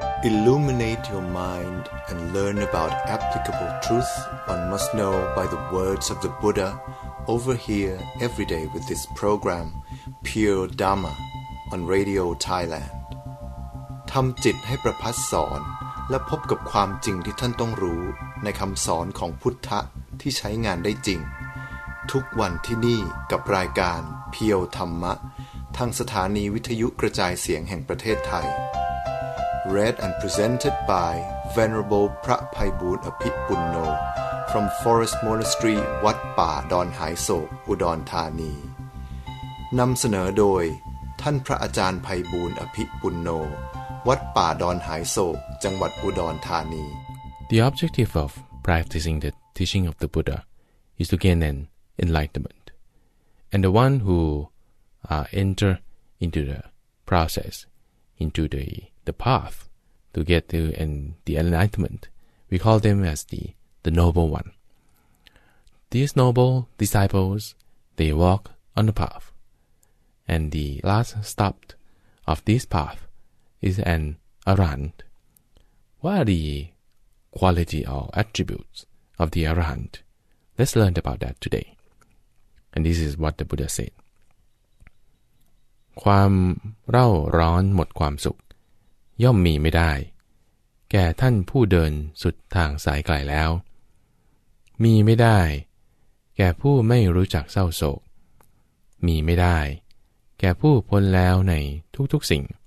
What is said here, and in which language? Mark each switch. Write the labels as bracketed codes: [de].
[en] Illuminate your mind and learn about applicable truth one must know by the words of the Buddha over here every day with this program, Pure Dharma, on Radio Thailand. [th] ทำจิตให้ประพัสสอนและพบกับความจริงที่ท่านต้องรู้ในคำสอนของพุทธะที่ใช้งานได้จริงทุกวันที่นี่กับรายการเพียวธรรมะทางสถานีวิทยุกระจายเสียงแห่งประเทศไทย [en] Read and presented by Venerable [th] พระไพบูลย์อภิปุณโญ [en] from Forest Monastery [th] วัดป่าดอนหายโศกอุดรธานีนำเสนอโดยท่านพระอาจารย์ไพบูลย์อภิปุณโญวัดป่าดอนหายโศกจังหวัดอุดรธานี [en] The objective of practicing the teaching of the Buddha is to gain an enlightenment, and the one whoenter into the process, into the path to get to and the enlightenment, we call them as the noble one. These noble disciples, they walk on the path, and the last stop of this path is an Arahant. What are the quality or attributes of the Arahant? Let's learn about that today. And this is what the Buddha said. [th] ความเร่าร้อนหมดความสุขย่อมมีไม่ได้แก่ท่านผู้เดินสุดทางสายไกลแล้วมีไม่ได้แก่ผู้ไม่รู้จักเศร้าโศกมีไม่ได้แก่ผู้พ้นแล้วในทุกๆสิ่ง